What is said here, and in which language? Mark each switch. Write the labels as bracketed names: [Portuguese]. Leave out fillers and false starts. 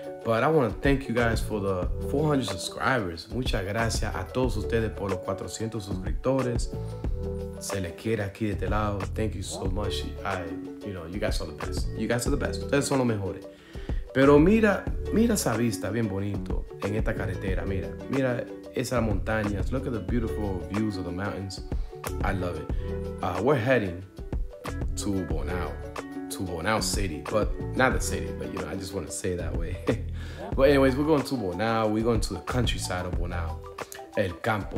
[English] But I want to thank you guys for the 400 subscribers. [Spanish] Muchas gracias a todos ustedes por los 400 suscriptores. Se le quiere aquí de este lado. [English] Thank you so much. You guys are the best. You guys are the best. [Spanish] Ustedes son los mejores. Pero mira esa vista bien bonito en esta carretera. Mira esas montañas. [English] Look at the beautiful views of the mountains. I love it. We're heading to Bonao. To Bonao City. But not the city. But, you know, I just want to say that way. But anyways, we're going to Bonao. We're going to the countryside of Bonao. [Spanish] El campo.